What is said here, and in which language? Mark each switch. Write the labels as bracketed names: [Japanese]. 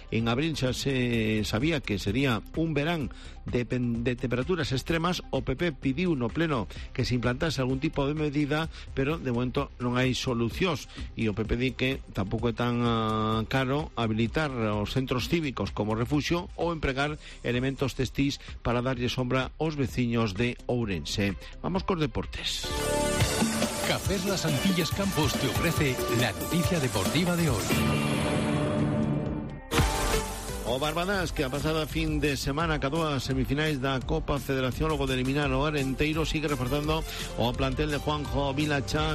[Galician] En abril xa se sabía que sería un verán de temperaturas extremas. O PP pediu no pleno que se implantase algún tipo de medida, pero de momento non hai solucións, e o PP di que tampouco é tan caro habilitar os centros cívicos como refugio ou empregar elementos textís para darlle sombra aos veciños de Ourense. Vamos cos deportes. [Spanish] Cafés Las Antillas Campos te ofrece la noticia deportiva de hoy. [Galician] O Barbadas, que a pasada fin de semana acabou as semifinais da Copa Federación logo de eliminar o Arenteiro, sigue reforzando o plantel de Juanjo Vilachá.